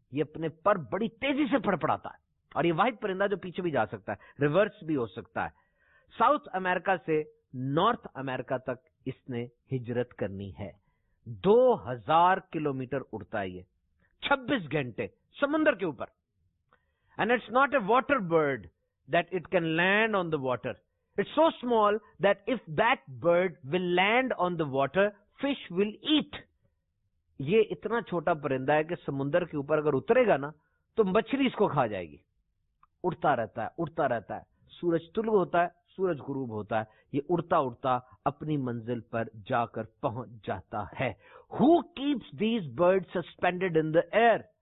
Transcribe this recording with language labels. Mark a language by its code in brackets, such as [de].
[ur] یہ اپنے پر بڑی تیزی سے پڑپڑاتا ہے، اور یہ واحد پرندہ جو پیچھے بھی جا سکتا ہے، ریورس بھی ہو سکتا ہے۔ ساؤتھ امریکہ سے نارتھ امریکہ تک اس نے ہجرت کرنی ہے، 2000 کلومیٹر اڑتا ہے یہ، 26 گھنٹے سمندر کے اوپر۔ [en] And it's not a water bird that it can land on the water. It's so small that if that bird will land on the water, fish will eat. [ur] یہ اتنا چھوٹا پرندہ ہے کہ سمندر کے اوپر اگر اترے گا نا تو مچھلی اس کو کھا جائے گی۔ اڑتا رہتا ہے، اڑتا رہتا ہے، سورج طلوع ہوتا ہے، سورج غروب ہوتا ہے، یہ اڑتا اڑتا اپنی منزل پر جا کر پہنچ جاتا ہے۔ [en] Who keeps these birds suspended in the air?